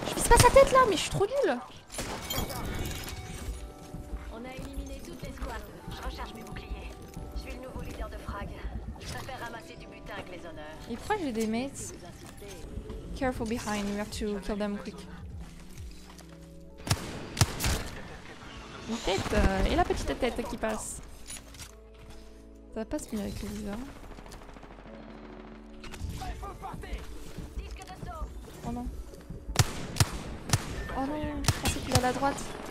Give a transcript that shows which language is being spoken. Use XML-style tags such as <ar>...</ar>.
<fr>Pas sa tête là, mais je suis trop nulle. On a éliminé toutes les squads. Je recharge mes boucliers. Je suis le nouveau leader de frag. Je préfère ramasser du butin avec les honneurs. Et pourquoi j'ai des mates?</fr> <en>Careful behind, we have to kill them quick.</en> <fr>Une tête et la petite tête qui passe. Ça passe mieux avec le viseur. Oh non. Oh non, je pensais qu'il allait à la droite.</fr>